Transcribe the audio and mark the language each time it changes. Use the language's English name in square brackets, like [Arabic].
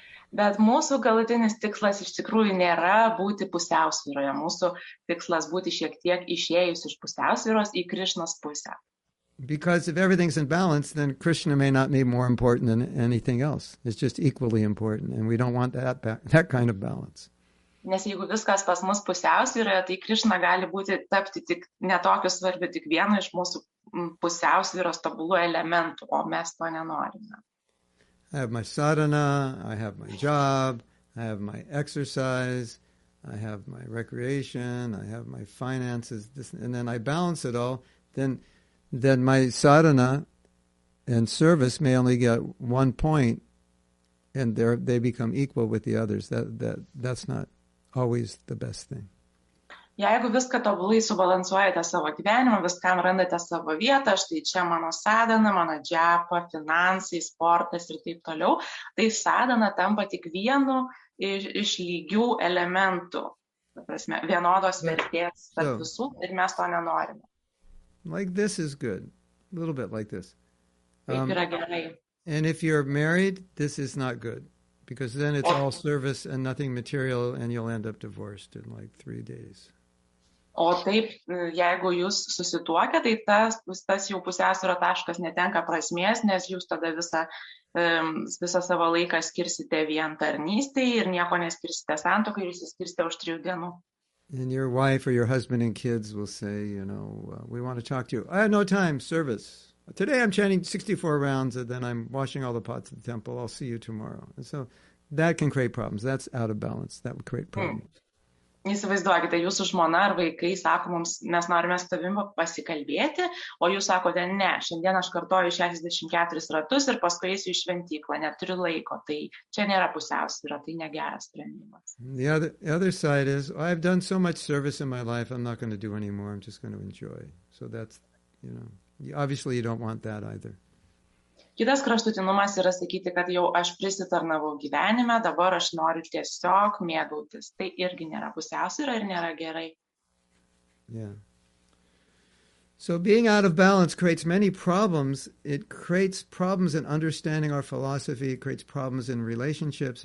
[Lithuanian] Bet mūsų galutinis tikslas iš tikrųjų nėra būti pusiausvyroje. Mūsų tikslas būti šiek tiek išėjus iš pusiausvyros į Krišnos pusę. [English] Because if everything's in balance, then Krishna may not be more important than anything else. It's just equally important, and we don't want that kind of balance. [Lithuanian] Nes jeigu viskas pas mus pusiausvyroje, tai Krishna gali būti tapti tik ne tokiu svarbiu, tik vienu iš mūsų pusiausvyros tabulų elementų, o mes to nenorime. [English] I have my sadhana, I have my job, I have my exercise, I have my recreation, I have my finances, and then I balance it all, then my sadhana and service may only get one point, and they become equal with the others. That's not always the best thing. [Lithuanian] Jeigu viską tobulai subalansuojate savo gyvenimą, viskam randate savo vietą, štai čia mano sadana, mano džiapa, finansai, sportas ir taip toliau, tai sadana tampa tik vienu iš lygių elementų, vienodos vertės tarp visų, ir mes to nenorime. [English] Like this is good, a little bit like this. [Lithuanian] Taip yra gerai. [English] And if you're married, this is not good, because then it's all service and nothing material, and you'll end up divorced in like 3 days. [Lithuanian] O taip, jeigu jūs susituokia, tai tas jau pusiausvyro taškas netenka prasmės, nes jūs tada visą savo laiką skirsite vien tarnystei ir nieko neskirsite santokai, jūs skirsite už 3 dienų. [English] And your wife or your husband and kids will say, you know, we want to talk to you. I have no time, service. Today I'm chanting 64 rounds and then I'm washing all the pots at the temple. I'll see you tomorrow. And so that can create problems. That's out of balance. That would create problems. Hmm. [Lithuanian] Įsivaizduokite, jūsų žmona ar vaikai sako mums, mes norime su tavim pasikalbėti, o jūs sakote, ne, šiandien aš kartoju 64 ratus ir paskui eisiu į šventyklą, neturiu laiko, tai čia nėra pusiausvyra, tai negeras sprendimas. [English] The other side is, I've done so much service in my life, I'm not going to do anymore, I'm just going to enjoy. So that's, you know, obviously you don't want that either. [Lithuanian] Kitas kraštutinumas yra sakyti, kad jau aš prisitarnavau gyvenime, dabar aš noriu tiesiog mėgautis. Tai irgi nėra pusiausvyra ir nėra gerai. [English] Yeah. So being out of balance creates many problems. It creates problems in understanding our philosophy. It creates problems in relationships.